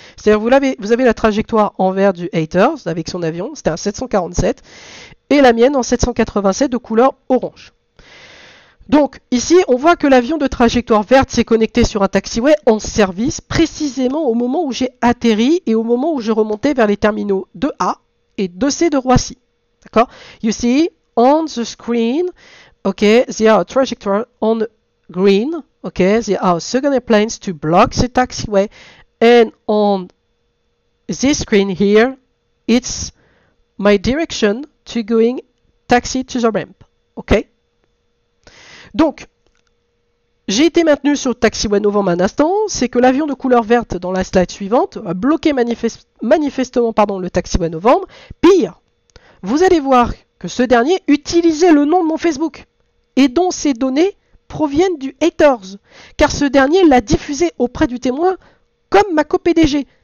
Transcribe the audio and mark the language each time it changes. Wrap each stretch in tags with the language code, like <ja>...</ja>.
<fr>C'est-à-dire, vous avez la trajectoire en vert du Haters avec son avion, c'était un 747, et la mienne en 787 de couleur orange. Donc, ici, on voit que l'avion de trajectoire verte s'est connecté sur un taxiway en service, précisément au moment où j'ai atterri et au moment où je remontais vers les terminaux 2A et 2C de Roissy. D'accord ?</fr> <en>You see, on the screen, ok, they are a trajectory on green. Ok, they are second airplanes to block the taxiway. And on this screen here, it's my direction to going taxi to the ramp. Ok.</en> <fr>Donc, j'ai été maintenu sur le taxiway novembre un instant. C'est que l'avion de couleur verte dans la slide suivante a bloqué manifestement, le taxiway novembre. Pire, vous allez voir que ce dernier utilisait le nom de mon Facebook, et dont ces données proviennent du Haters, car ce dernier l'a diffusé auprès du témoin comme ma co-PDG.</fr>